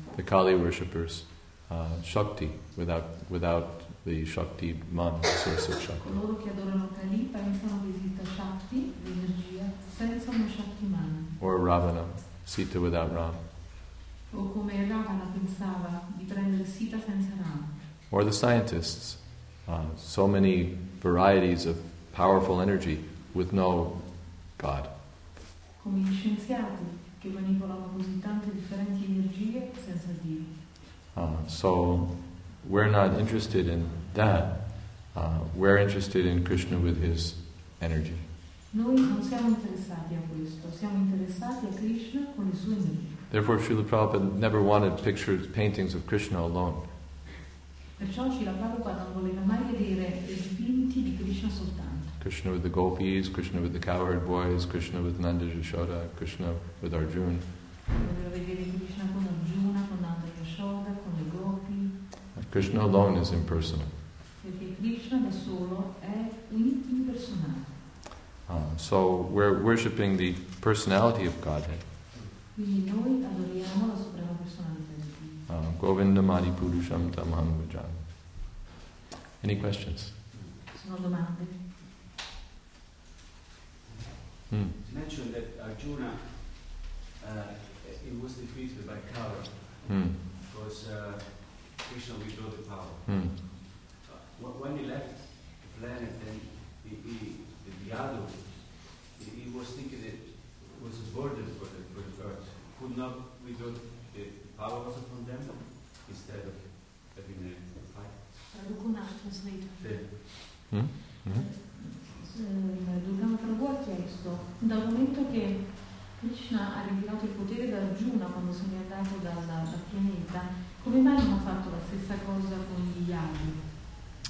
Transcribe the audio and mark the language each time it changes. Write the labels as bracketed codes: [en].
[en] The Kali worshippers, Shakti without. The Shakti Man, the source of Shakti. [it] Coloro che adorano Kali pensano che esista Shakti, l'energia, senza uno Shakti Man. [en] Or Ravana, Sita without Ram. [it] O come Ravana pensava di prendere Sita senza Ram. [en] Or the scientists, so many varieties of powerful energy with no God. [it] Come gli scienziati che manipolavano così tante differenti energie senza Dio. [en] So we're not interested in that. We're interested in Krishna with his energy. [it] Noi non siamo interessati a questo, siamo interessati a Krishna con le sue energie. [en] Therefore, Srila Prabhupada never wanted pictures, paintings of Krishna alone. [it] Perciò Srila Prabhupada non voleva mai vedere dipinti di Krishna soltanto. [en] Krishna with the gopis, Krishna with the cowherd boys, Krishna with Nanda Yashoda, Krishna with Arjuna. [it] Non voleva vedere Krishna con Arjuna, con Nanda Yashoda, con le gopi. [en] Krishna alone is impersonal. [it] Perché Krishna da solo è impersonale. [en] So we're worshipping the personality of Godhead. [it] Quindi noi adoriamo la suprema personalità. [sa] Govinda Madhi Purusham Tamaham Vajan. [en] Any questions? [it] Sono domande. [en] You mentioned that Arjuna it was defeated by Kaur because Krishna withdrew the power. When he left the planet, then the Yadu, he was thinking that it was a burden for the earth. Could not withdraw the power also from them instead of having a fight? Translator. [it] Dugama Prabhu ha chiesto, dal momento che Krishna ha ritirato il potere da Arjuna quando se ne è andato dal pianeta, come mai non ha fatto la stessa cosa con gli Yadu?